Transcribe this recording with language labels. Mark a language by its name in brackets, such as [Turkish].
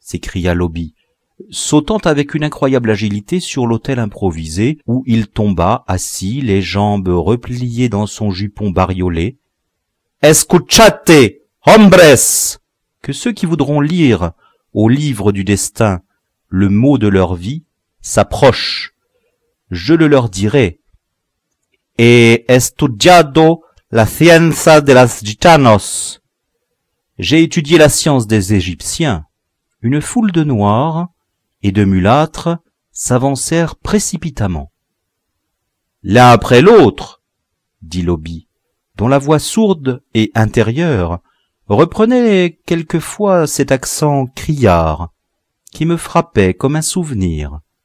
[French] s'écria l'Obi, sautant avec une incroyable agilité sur l'autel improvisé où il tomba assis, les jambes repliées dans son jupon bariolé. [Spanish] « Escuchate, hombres !» [French] Que ceux qui voudront lire au livre du destin le mot de leur vie s'approchent. Je le leur dirai. [Spanish] « He estudiado la ciencia de los gitanos. » [French] J'ai étudié la science des Égyptiens. Une foule de noirs et de mulâtres s'avancèrent précipitamment. L'un après l'autre, dit l'Obi, dont la voix sourde et intérieure reprenait quelquefois cet accent criard qui me frappait comme un souvenir.